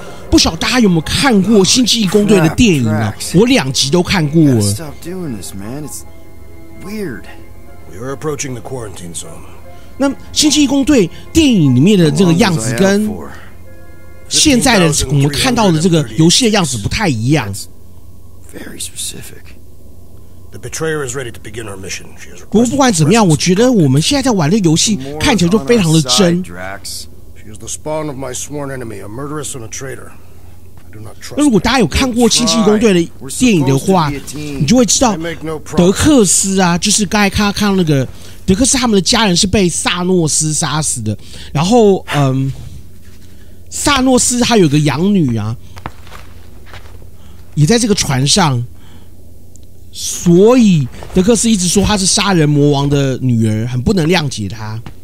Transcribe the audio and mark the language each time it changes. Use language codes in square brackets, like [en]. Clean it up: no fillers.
[zh] 不晓得大家有没有看过《星际异攻队》的电影啊？我两集都看过了。 [en] Stop doing this, man. It's weird. We are approaching the quarantine zone. [zh] 那《星际异攻队》电影里面的这个样子跟现在的我们看到的这个游戏的样子不太一样。 [en] Very specific. The betrayer is ready to begin our mission. [zh] 不过不管怎么样，我觉得我们现在在玩的游戏看起来就非常的真。 [en] She is the spawn of my sworn enemy, a murderess and a traitor. I do not trust. [zh] 那如果大家有看过《星际异攻队》的电影的话，你就会知道德克斯啊，就是刚才看到那个德克斯，他们的家人是被萨诺斯杀死的。然后，萨诺斯他有个养女啊，也在这个船上，所以德克斯一直说他是杀人魔王的女儿，很不能谅解他。